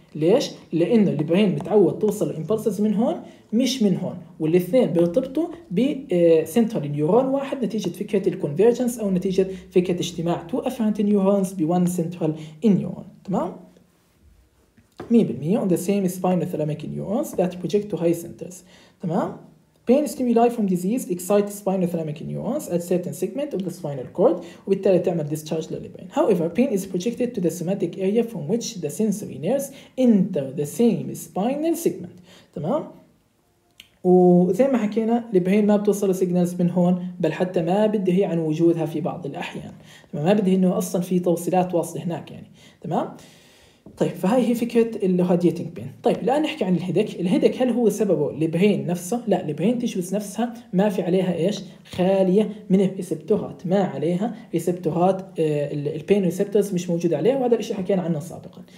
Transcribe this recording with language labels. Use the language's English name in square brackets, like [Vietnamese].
[Arabic] ليش؟ لأن البرين متعود توصل الإمبلسز من هون مش من هون، والاثنين بيرتبطوا بسنترال نيورون واحد نتيجة فكرة الكونفيرجنس أو نتيجة فكرة اجتماع تو افرنت نيورونز بوان سنترال نيورون، تمام؟ [English] 100% on the same spinothalamic neurons that project to high centers. تمام؟ Pain stimuli from disease excite spinothalamic neurons at certain segment of the spinal cord [Arabic] وبالتالي تعمل discharge للبرين. [English] However, pain is projected to the somatic area from which the sensory nerves enter the same spinal segment. [Arabic] تمام؟ وزي ما حكينا البرين ما بتوصل signals من هون، بل حتى ما بده هي عن وجودها في بعض الأحيان. تمام؟ ما بده إنه أصلا في توصيلات واصلة هناك يعني. تمام؟ طيب فهاي هي فكرة الهادياتينج بين. طيب الآن نحكي عن الهيدك. الهيدك هل هو سببه البرين نفسه؟ لا، البرين تيشوز نفسها ما في عليها إيش؟ خالية من الريسبتورات، ما عليها ريسبتورات البين ريسبتورز مش موجودة عليها، وهذا الشيء حكينا عنه سابقا.